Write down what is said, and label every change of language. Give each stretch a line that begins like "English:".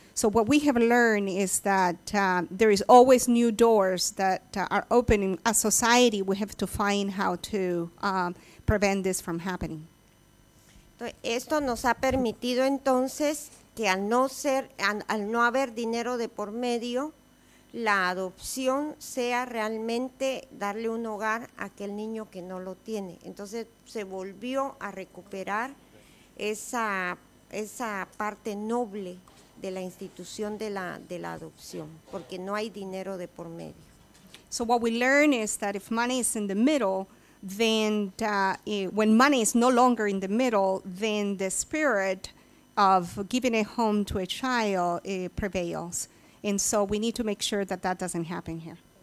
English: So what we have learned is that there is always new doors that are opening. As society, we have to find how to prevent this from happening.
Spanish: Esto nos ha permitido entonces que al no haber dinero de por medio, la adopción sea realmente darle un hogar a aquel niño que no lo tiene. Entonces se volvió a recuperar esa parte noble de la institución de la adopción, porque no hay dinero de por medio.
English: So what we learn is that if money is in the middle, then when money is no longer in the middle, then the spirit of giving a home to a child prevails. And so we need to make sure that that doesn't happen here.